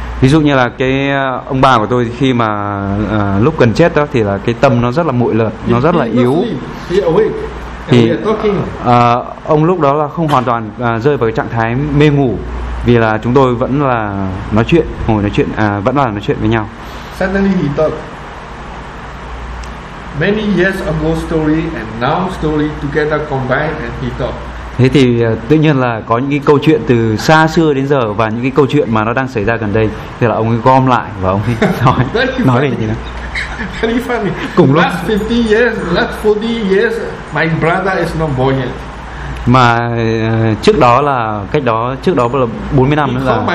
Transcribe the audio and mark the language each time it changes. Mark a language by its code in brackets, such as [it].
[vi] Ví dụ như là cái ông bà của tôi khi mà lúc gần chết đó thì là cái tâm nó rất là muội lợt, nó rất là yếu. Thì ông lúc đó là không hoàn toàn rơi vào cái trạng thái mê ngủ, vì là chúng tôi vẫn là nói chuyện, ngồi nói chuyện, vẫn là nói chuyện với nhau. [en] Suddenly he thought, many years ago story and now story together combined, and he thought. [vi] Thế thì tự nhiên là có những cái câu chuyện từ xa xưa đến giờ và những cái câu chuyện mà nó đang xảy ra gần đây, thì là ông ấy gom lại và ông ấy nói về gì đó. [en] Very funny. [vi] Cùng lúc. [en] Last 50 years, last 40 years, my brother is not born yet. [vi] Mà trước đó là cách đó, trước đó là 40 năm nữa là.